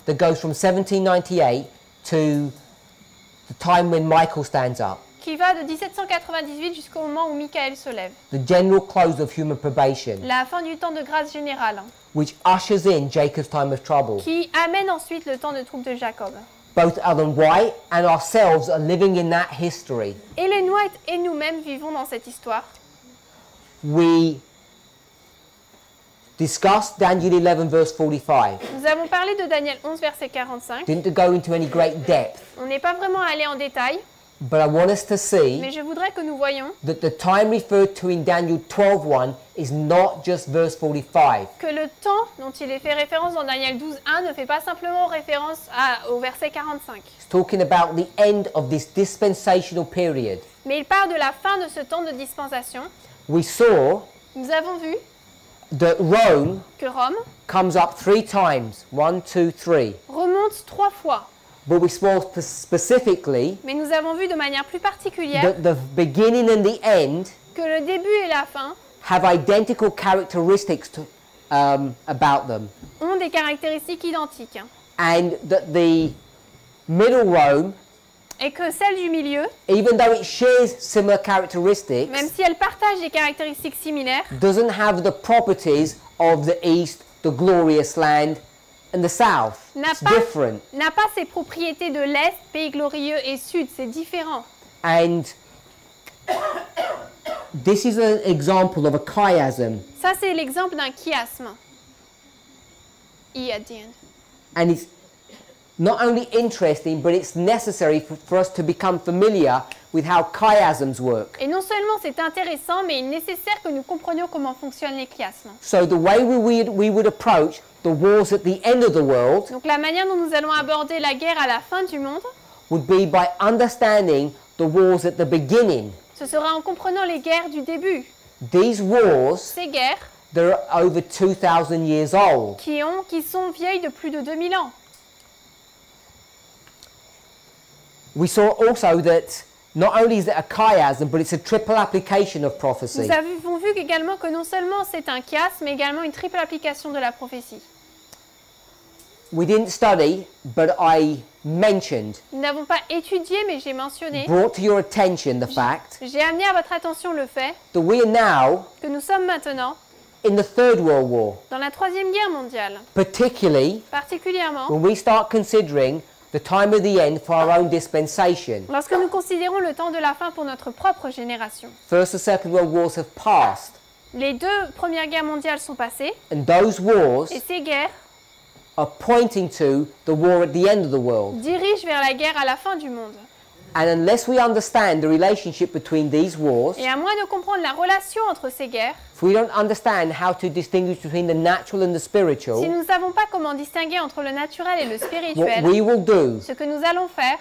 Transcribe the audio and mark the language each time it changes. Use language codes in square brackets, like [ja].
[en] That goes from 1798 to the time when Michael stands up. [fr] Qui va de 1798 jusqu'au moment où Michael se lève. [en] The general close of human probation. [fr] La fin du temps de grâce générale. [en] Which ushers in Jacob's time of trouble. [fr] Qui amène ensuite le temps de trouble de Jacob. [en] Both Ellen White and ourselves are living in that history. [fr] Ellen White et nous-mêmes vivons dans cette histoire. [en] We discussed Daniel 11 verse 45. [fr] Nous avons parlé de Daniel 11 verset 45. [en] Didn't go into any great depth. [fr] On n'est pas vraiment allé en détail. [en] But I want us to see. [fr] Mais je voudrais que nous voyions. [en] That the time referred to in Daniel 12:1 is not just verse 45. [fr] Que le temps dont il est fait référence dans Daniel 12:1 ne fait pas simplement référence au verset 45. [en] It's talking about the end of this dispensational period. [fr] Mais il parle de la fin de ce temps de dispensation. [en] We saw. [fr] Nous avons vu. [en] That Rome. [fr] Que Rome. [en] Comes up three times. 1, 2, 3. [fr] Remonte trois fois. [en] But we saw specifically. [fr] Mais nous avons vu de manière plus particulière. [en] That the beginning and the end. [fr] Que le début et la fin. [en] Have identical characteristics to, about them. [fr] Ont des caractéristiques identiques. [en] And that the middle Rome. [fr] Et que celle du milieu. [en] Even though it shares similar characteristics. [fr] Même si elle partage des caractéristiques similaires. [en] Doesn't have the properties of the East, the glorious land. In the south, [fr] n'a pas ses propriétés de l'est, pays glorieux et sud, c'est différent. [en] And this is an example of a chiasm. [fr] Ça c'est l'exemple d'un chiasme. Iadien. [en] And it's not only interesting, but it's necessary for us to become familiar with how chiasms work. [fr] Et non seulement c'est intéressant, mais il est nécessaire que nous comprenions comment fonctionnent les chiasmes. [en] So the way we would approach the wars at the end of the world. [fr] Donc la manière dont nous allons aborder la guerre à la fin du monde. [en] Would be by understanding the wars at the beginning. [fr] Ce sera en comprenant les guerres du début. [en] These wars. [fr] Ces guerres. [en] They're over 2,000 years old. [fr] Qui sont vieilles de plus de 2000 ans. [en] We saw also that. Not only is it a chiasm, but it's a triple application of prophecy. [fr] Nous avons vu également que non seulement c'est un chiasme, mais également une triple application de la prophétie. [en] We didn't study, but I mentioned. [fr] Nous n'avons pas étudié, mais j'ai mentionné. [en] Brought to your attention the fact. [fr] J'ai amené à votre attention le fait. [en] That we are now. [fr] Que nous sommes maintenant. [en] In the Third World War. [fr] Dans la Troisième Guerre mondiale. [en] Particularly. [fr] Particulièrement. [en] When we start considering the time of the end for our own dispensation. [fr] Lorsque nous considérons le temps de la fin pour notre propre génération. [en] First and Second World Wars have passed. [fr] Les deux premières guerres mondiales sont passées. [en] And those wars. [fr] Et ces guerres. [en] Are pointing to the war at the end of the world. [fr] Dirige vers la guerre à la fin du monde. [en] And unless we understand the relationship between these wars. [fr] Et à moins de comprendre la relation entre ces guerres. [en] If we don't understand how to distinguish between the natural and the spiritual. [fr] Si nous ne savons pas comment distinguer entre le naturel et le spirituel. [en] What we will do. [fr] Ce que nous allons faire.